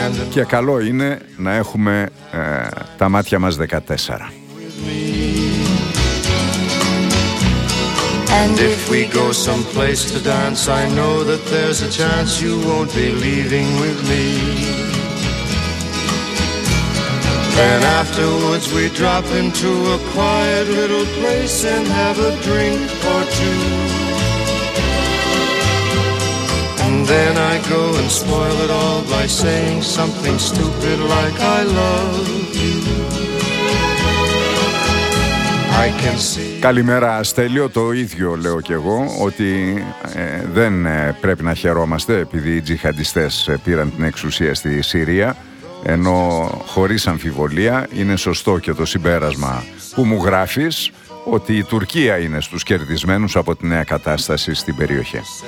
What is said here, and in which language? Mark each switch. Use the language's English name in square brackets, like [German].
[Greek] Και καλό είναι να έχουμε τα μάτια μας 14. [English] And if we go someplace to dance, I know that there's a chance you won't be leaving with me. Then afterwards we drop into a quiet little place and have a drink or two. And then I go and spoil it all by saying something stupid like I love you. I can see. [Greek] Καλημέρα Στέλιο, το ίδιο λέω και εγώ, ότι δεν πρέπει να χαιρόμαστε επειδή οι τζιχαντιστές πήραν την εξουσία στη Συρία, ενώ χωρίς αμφιβολία είναι σωστό και το συμπέρασμα που μου γράφεις, ότι η Τουρκία είναι στους κερδισμένους από τη νέα κατάσταση στην περιοχή.